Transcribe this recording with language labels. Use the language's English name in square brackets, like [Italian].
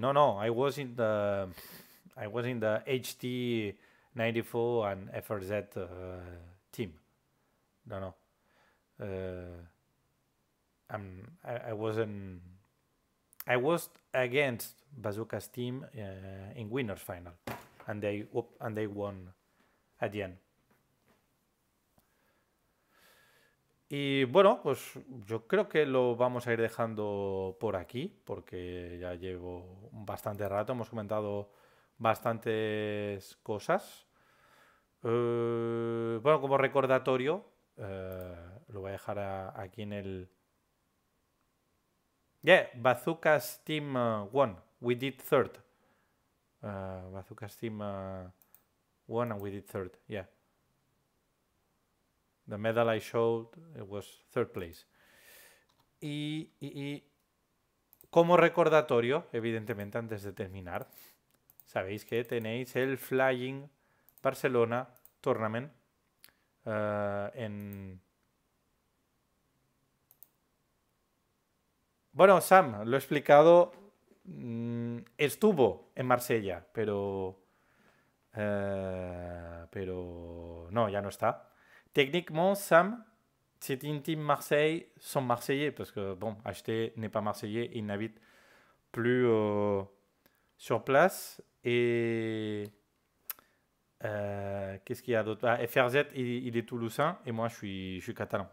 [English] No, I was in the HT94 and FRZ team. No. I was against Bazooka's team in winners final, and they won at the end. [Spanish] Y bueno, pues yo creo que lo vamos a ir dejando por aquí, porque ya llevo bastante rato, hemos comentado bastantes cosas. Bueno, como recordatorio, lo voy a dejar aquí en el... [English] Yeah, Bazooka's team won, we did third. Bazooka's team won and we did third, yeah. The medal I showed, it was third place. [Spanish] Y como recordatorio, evidentemente, antes de terminar, sabéis que tenéis el Flying Barcelona Tournament en... Bueno, Sam, lo he explicado. Estuvo en Marsella, pero no, ya no está. [French] Techniquement, Sam, c'est une team Marseille, sont Marseillais, parce que, bon, HT n'est pas Marseillais, il n'habite plus sur place. Et qu'est-ce qu'il y a d'autre? Ah, FRZ, il est Toulousain, et moi, je suis catalan.